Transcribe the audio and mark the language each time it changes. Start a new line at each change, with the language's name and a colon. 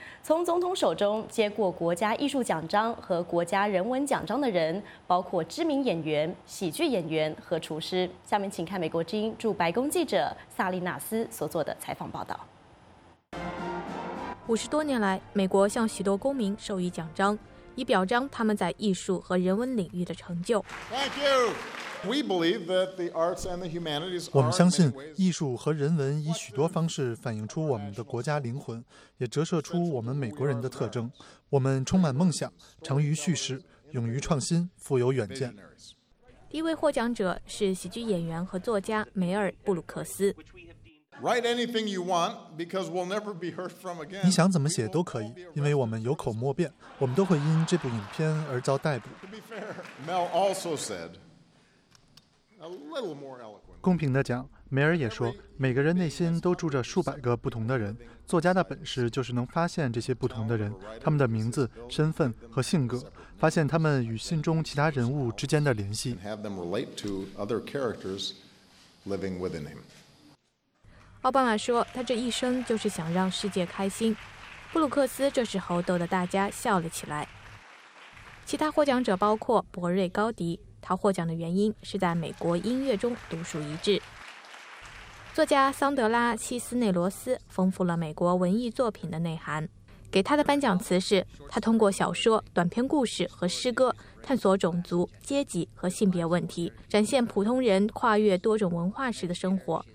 Chinese: 从总统手中接过国家艺术奖章和国家人文奖章的人，包括知名演员、喜剧演员和厨师。下面请看美国之音驻白宫记者萨利纳斯所做的采访报道。 50多年来，美国向许多公民授予奖章。以表彰他们在艺术和人文领域的成就。
English: Thank you. We believe that the arts and the humanities are.
Chinese: 我们相信艺术和人文以许多方式反映出我们的国家灵魂，也折射出我们美国人的特征。我们充满梦想，长于叙事，勇于创新，富有远见。第一位获奖者是喜剧演员和作家梅尔·布鲁克斯。
English: Write anything you want, because we'll never be heard from again.
Chinese: 你想怎么写都可以，因为我们有口莫辩，我们都会因这部影片而遭逮捕。
English: Mel also said a little more eloquent.
Chinese: 公平地讲，梅尔也说，每个人内心都住着数百个不同的人。作家的本事就是能发现这些不同的人，他们的名字、身份和性格，发现他们与心中其他人物之间的联系。
English: Have them relate to other characters living within him.
Chinese: 奥巴马说，他这一生就是想让世界开心。布鲁克斯这时候逗得大家笑了起来。其他获奖者包括博瑞·高迪，他获奖的原因是在美国音乐中独树一帜。作家桑德拉·西斯内罗斯丰富了美国文艺作品的内涵，给他的颁奖词是，他通过小说、短篇故事和诗歌探索种族、阶级和性别问题，展现普通人跨越多种文化时的生活。